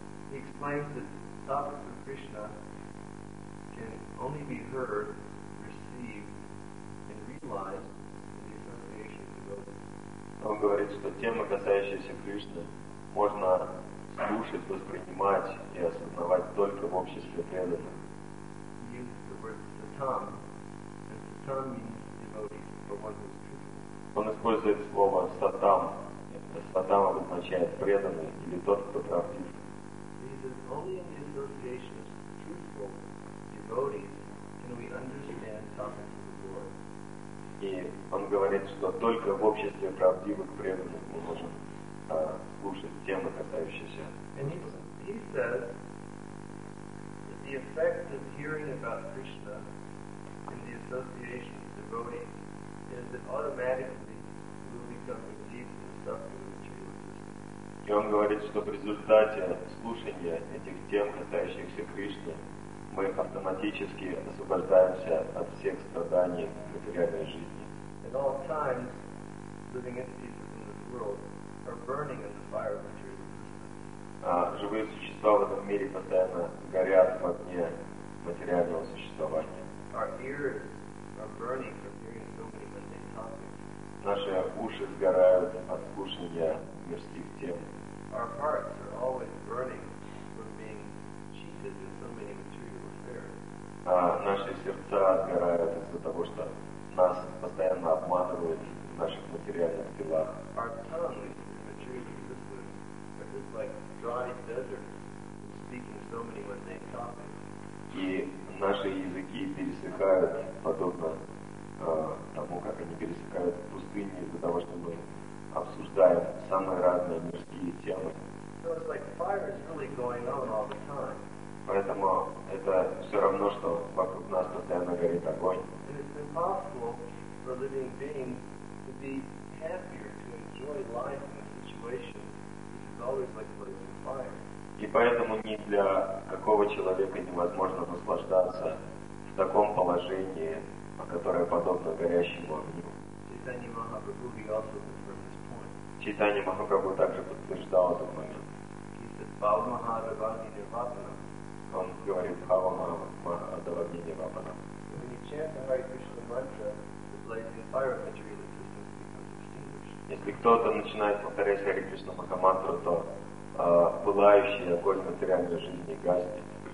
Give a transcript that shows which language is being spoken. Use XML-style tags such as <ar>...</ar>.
<en>He explains that topics of Krishna can only be heard, received, and realized in the association of devotees.</en> <ru>Он говорит, что темы, касающиеся Кришны, можно слушать, воспринимать и осознавать только в обществе преданных.</ru> <en>He uses the word satam, and satam means devotees, the one who's true.</en> <ru>Он использует слово сатам. Сатам обозначает преданный или тот, кто правдив.</ru> <en>Only in the association of truthful devotees can we understand topics of the Lord.</en> <ru>И он говорит, что только в обществе правдивых преданных мы можем слушать темы, касающиеся.</ru> <en>And he says that the effect of hearing about Krishna in the association of devotees is that automatically we will become engaged in suffering.</en> <ru>И он говорит, что в результате слушания этих тем, касающихся Кришны, мы автоматически освобождаемся от всех страданий в материальной жизни.</ru> <en>At all times, living entities in this world are burning in the fire of material existence.</en> <ru>Живые существа в этом мире постоянно горят в огне материального существования.</ru> <en>Our ears are burning from hearing so many mundane topics.</en> <ru>Наши уши сгорают от слушания мирских тем.</ru> <en>Our hearts are always burning from being cheated in so many material affairs.</en> <ru>Наши сердца сгорают из-за того, что нас постоянно обманывают в наших материальных делах.</ru> <en>Our tongues in material existence are just like dry deserts speaking so many mundane topics.</en> <ru>И наши языки пересыхают подобно тому, как они пересыхают пустыни из-за того, что мы обсуждаем самые разные мирские темы.</ru> <en>So it's like fire is really going on all the time.</en> <ru>Поэтому это все равно, что вокруг нас постоянно горит огонь.</ru> <en>And it's impossible for living beings to be happier, to enjoy life in a situation which is always like blazing fire.</en> <ru>И поэтому ни для какого человека невозможно наслаждаться в таком положении, которое подобно горящему огню.</ru> <en>Chaitanya Mahaprabhu also confirmed this point.</en> <ru>Chaitanya Mahaprabhu также подтверждал этот момент.</ru> <en>He said, Bhava Mahadavadi Nirvapana.</en> <ru>Он говорит, Bhava Mahadavadi Nirvapana.</ru> <en>When you chant the Hare Krishna mantra, the blazing fire of material existence becomes extinguished.</en> <ru>Если кто-то начинает повторять Hare Krishna Mahamantra, то пылающий огонь материальной жизни гаснет.</ru>